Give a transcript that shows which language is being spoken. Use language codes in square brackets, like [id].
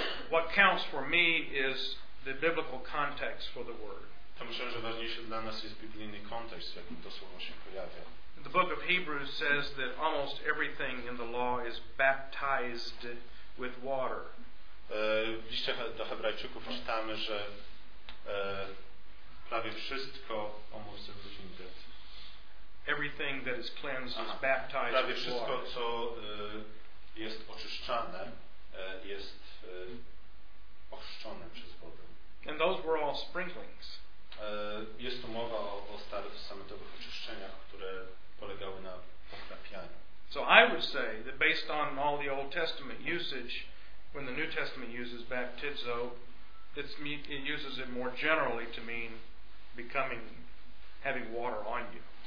[en] What counts for me is the biblical context for the word. [pl] To myślę, że ważniejsze dla nas jest biblijny kontekst, w jakim to słowo się pojawia. [en] The book of Hebrews says that almost everything in the law is baptized with water. [pl] W liście do Hebrajczyków czytamy, że prawie wszystko o Mojżeszu w Księdze Grec. [en] Everything that is cleansed is baptized [pl] prawie [en] with [pl] wszystko, [en] water. [pl] Co jest oczyszczane, jest ochrzczone przez wodę. [en] And those were all sprinklings. [pl] Jest tu mowa o starotestamentowych oczyszczeniach, które polegały na pokrapianiu. [en] So I would say that based on all the Old Testament usage, when the New Testament uses baptizo, it uses it more generally to mean becoming, having water on you.